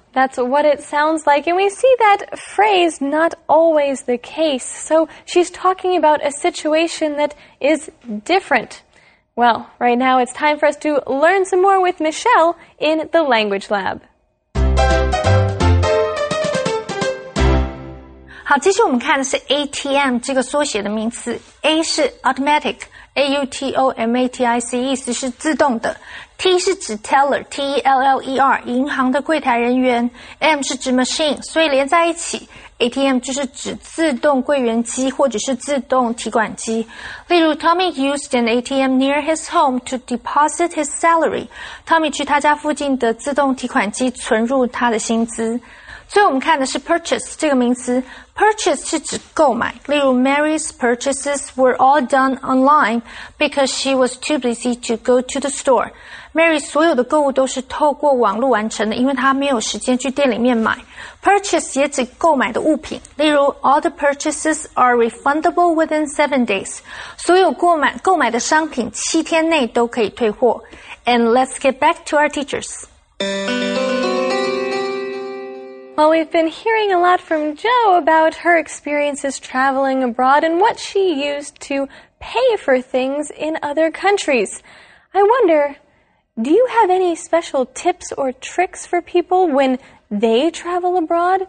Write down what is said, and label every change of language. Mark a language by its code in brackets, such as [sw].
[en] That's what it sounds like. And we see that phrase, "not always the case." So she's talking about a situation that is different. Well, right now it's time for us to learn some more with Michelle in the Language Lab. [zh] 好，继续我们看的是 ATM 这个缩写的名词。 A 是 automatic, A-U-T-O-M-A-T-I-C, 意思是自动的。 T 是指 teller, T-E-L-L-E-R, 银行的柜台人员。 M 是指 machine, 所以连在一起。 ATM 就是指自动柜员机或者是自动提款机。例如 [en] Tommy used an ATM near his home to deposit his salary. [zh] Tommy 去他家附近的自动提款机存入他的薪资。最后我们看的是 purchase 这个名词。Purchase 是指购买。例如 [en] Mary's purchases were all done online because she was too busy to go to the store. [zh] Mary 所有的购物都是透过网络完成的，因为她没有时间去店里面买。 [en] Purchase [zh] 也指购买的物品，例如 [en] All the purchases are refundable within 7 days. [zh] 所有购买的商品七天内都可以退货。 [en] And let's get back to our teachers. Well, we've been hearing a lot from Jo about her experiences traveling abroad and what she used to pay for things in other countries. I wonder, do you have any special tips or tricks for people whenThey travel abroad?